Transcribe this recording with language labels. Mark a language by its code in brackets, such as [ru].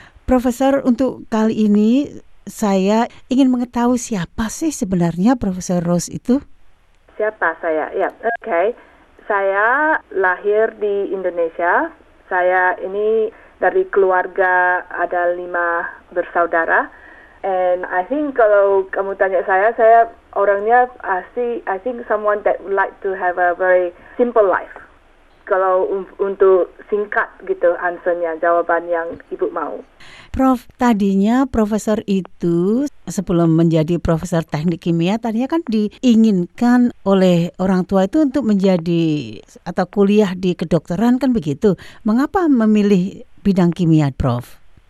[id] Profesor, untuk kali ini saya ingin mengetahui siapa sih sebenarnya Profesor Rose itu? Siapa saya? Ya, yeah. Okay. Saya lahir di Indonesia. Saya ini dari keluarga ada 5 bersaudara. [en] And I think [id] kalau kamu tanya saya orangnya [en] I think someone that would like to have a very simple life. [id] Kalau untuk singkat gitu answernya, jawaban yang ibu mau. Prof, tadinya profesor itu sebelum menjadi profesor teknik kimia, tadinya kan diinginkan oleh orang tua itu untuk menjadi atau kuliah di kedokteran kan begitu. Mengapa memilih bidang kimia, Prof?